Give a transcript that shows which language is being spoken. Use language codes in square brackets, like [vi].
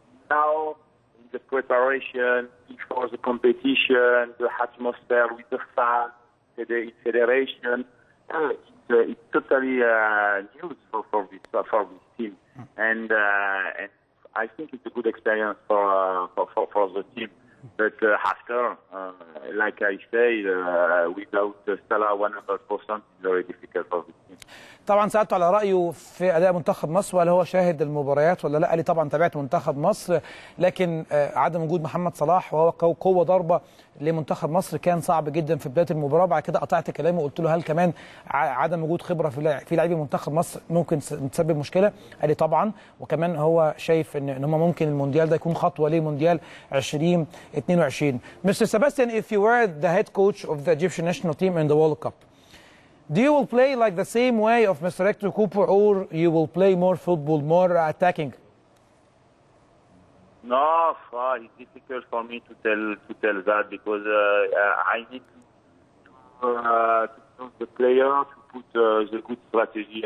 [en] Now, in the preparation, before the competition, the atmosphere with the fans, the federation, it's totally news for this team. And I think it's a good experience for the team. But after, like I say, without Salah 100%, it's very difficult for the team. [ar] طبعا سألته على رأيه في أداء منتخب مصر وهل هو شاهد المباريات ولا لا، قال لي طبعا تابعت منتخب مصر لكن عدم وجود محمد صلاح وهو قوة ضربة لمنتخب مصر كان صعب جدا في بداية المباراة، بعد كده قطعت كلامه وقلت له هل كمان عدم وجود خبرة في لاعبي منتخب مصر ممكن تسبب مشكلة؟ قال لي طبعا، وكمان هو شايف إن هما ممكن المونديال ده يكون خطوة لمونديال 2022. [en] Mister Sebastian, if you were the head coach of the Egyptian national team in the World Cup, do you will play like the same way of Mr. Hector Cooper, or you will play more football, more attacking? No, it's difficult for me to tell that because I need to the player to put the good strategy.